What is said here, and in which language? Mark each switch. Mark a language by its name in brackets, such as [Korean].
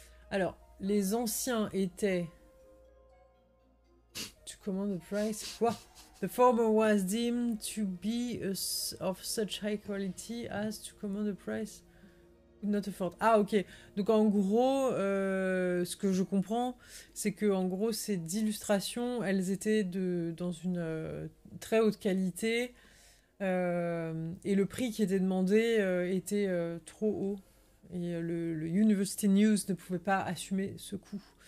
[French] Alors, les anciens étaient... [English] To command the price, quoi? The former was deemed to be of such high quality as to command the price could not afford. [French] Ah, ok. Donc, en gros, ce que je comprends, c'est que, en gros, ces illustrations, elles étaient dans une très haute qualité. Et le prix qui était demandé était trop haut. Et le University News ne pouvait pas assumer ce coût.